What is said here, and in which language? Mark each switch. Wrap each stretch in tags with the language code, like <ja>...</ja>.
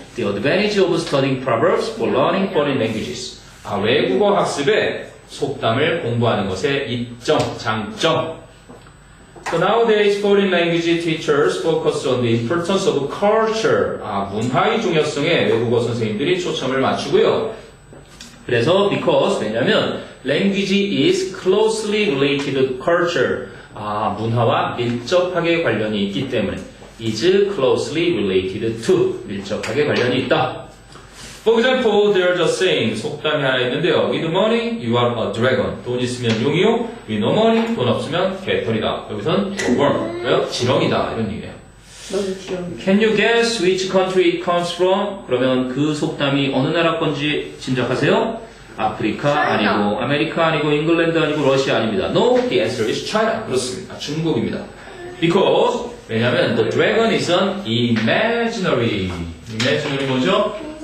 <en>The advantage of studying proverbs for learning foreign languages.</en> <ko>아, 외국어 학습에 속담을 공부하는 것의 이점, 장점.</ko> <en>So nowadays, foreign language teachers focus on the importance of culture.</en> <ko>아, 문화의 중요성에 외국어 선생님들이 초점을 맞추고요. 그래서,</ko> <en>because, 왜냐면, language is closely related to culture.</en> <ko>아, 문화와 밀접하게 관련이 있기 때문에</ko> <en>is closely related to,</en> <ko>밀접하게 관련이 있다.</ko> <en>For example, there's a saying,</en> <ko>속담이 하나 있는데요.</ko> <en>With money, you are a dragon.</en> <ko>돈 있으면 용이요.</ko> <en>With no money,</en> <ko>돈 없으면 개털이다. 여기선 a worm, 지렁이다. 이런 얘기예요.</ko> <en>Can you guess which country it comes from?</en> <ko>그러면 그 속담이 어느 나라 건지 짐작하세요? 아프리카 아니고 아메리카 아니고 잉글랜드 아니고 러시아 아닙니다.</ko> <en>No, the answer is China.</en> <ko>그렇습니다. 중국입니다.</ko> <en>Because, 왜냐면 the dragon is an imaginary.</en> <ko>Imaginary 뭐죠?</ko>